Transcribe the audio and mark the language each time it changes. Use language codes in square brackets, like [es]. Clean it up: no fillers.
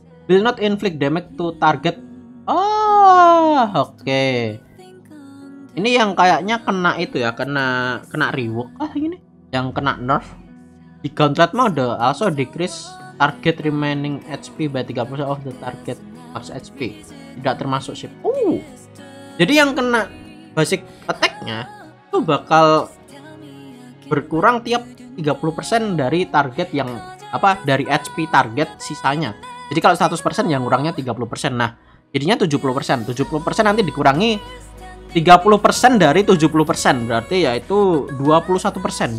[en] Will not inflict damage to target. Oh, oke. Okay. [id] Ini yang kayaknya kena itu ya, kena rework ah ini. Yang kena nerf. [en] Di gauntlet mode also decrease target remaining HP by 30% of the target max HP. [id] Tidak termasuk ship. Jadi yang kena basic attack-nya itu bakal berkurang tiap 30% dari target yang apa, dari HP target sisanya. Jadi kalau 100% yang kurangnya 30%. Nah jadinya 70%. 70% nanti dikurangi 30% dari 70%, berarti yaitu 21%.